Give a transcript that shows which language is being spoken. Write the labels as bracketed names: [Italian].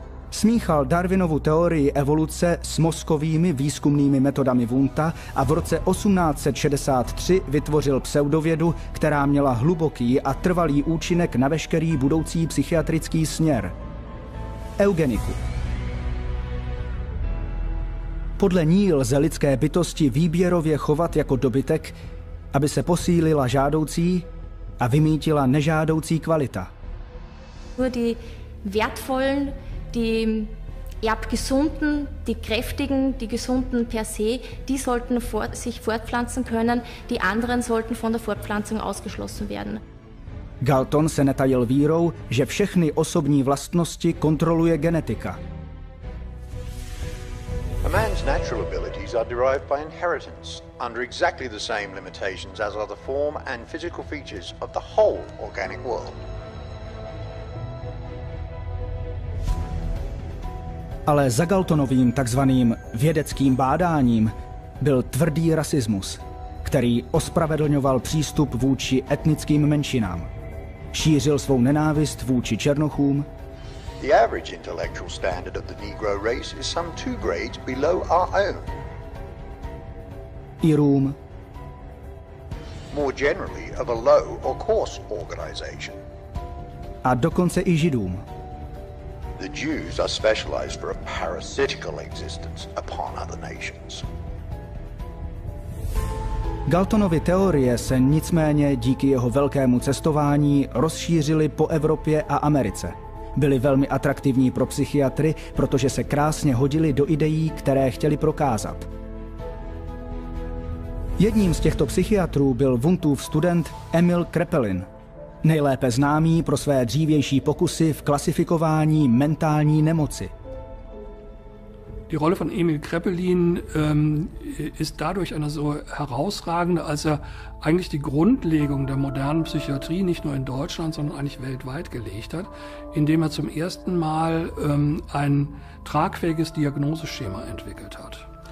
[Czech] Smíchal Darwinovu teorii evoluce s mozkovými výzkumnými metodami Wundta a v roce 1863 vytvořil pseudovědu, která měla hluboký a trvalý účinek na veškerý budoucí psychiatrický směr. Eugeniku. Podle ní lze lidské bytosti výběrově chovat jako dobytek, aby se posílila žádoucí a vymítila nežádoucí kvalita. [German] Die wertvollen, die gesunden, die kräftigen, die gesunden per se, die sollten sich fortpflanzen können, die anderen sollten von der Fortpflanzung ausgeschlossen werden. [Czech] Galton se netajil vírou, že všechny osobní vlastnosti kontroluje genetika. [English] A man's natural abilities are derived by inheritance under exactly the same limitations as are the form and physical features of the whole organic world. [Czech] Ale za Galtonovým takzvaným vědeckým bádáním byl tvrdý rasismus, který ospravedlňoval přístup vůči etnickým menšinám. Šířil svou nenávist vůči černochům. [English] The average intellectual standard of the Negro race is some two grades below our own. [Czech] Irům. [English] More generally of a low or coarse organization. [Czech] A dokonce i Židům. [English] The Jews are specialized for a parasitical existence upon other nations. [Czech] Galtonovy teorie se nicméně díky jeho velkému cestování rozšířily po Evropě a Americe. Byly velmi atraktivní pro psychiatry, protože se krásně hodily do ideí, které chtěli prokázat. Jedním z těchto psychiatrů byl Wundtův student Emil Kraepelin. Nejlépe známý pro své dřívější pokusy v klasifikování mentální nemoci. [German] Die Rolle von Emil Kraepelin ist dadurch eine so herausragende, als eigentlich die Grundlegung der modernen Psychiatrie nicht nur in Deutschland, sondern eigentlich weltweit gelegt hat, indem zum ersten Mal ein tragfähiges Diagnoseschema entwickelt hat.